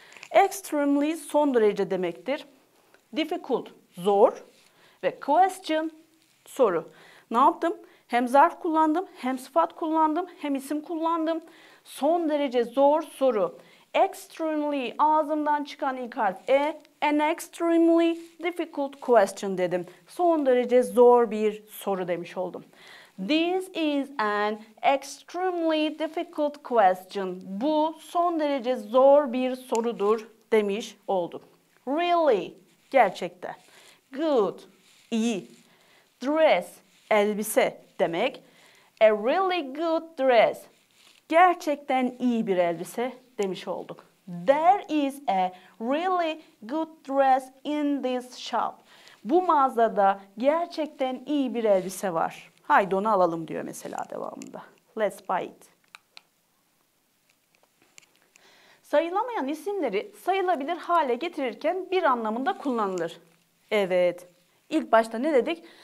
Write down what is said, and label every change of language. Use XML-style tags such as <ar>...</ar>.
<tr>Extremely son derece demektir. Difficult, zor. Ve question, soru. Ne yaptım? Hem zarf kullandım, hem sıfat kullandım, hem isim kullandım. Son derece zor soru. Extremely, ağzımdan çıkan ilk harf E.</tr> <en>An extremely difficult question</en> <tr>dedim. Son derece zor bir soru demiş oldum.</tr> <en>This is an extremely difficult question.</en> <tr>Bu son derece zor bir sorudur demiş oldum. Really, gerçekten. Good, iyi.</tr> <en>Dress,</en> <tr>elbise demek.</tr> <en>A really good dress.</en> <tr>Gerçekten iyi bir elbise demiş olduk.</tr> <en>There is a really good dress in this shop.</en> <tr>Bu mağazada gerçekten iyi bir elbise var. Haydi onu alalım diyor mesela devamında.</tr> <en>Let's buy it.</en> <tr>Sayılamayan isimleri sayılabilir hale getirirken bir anlamında kullanılır. Evet. İlk başta ne dedik?</tr>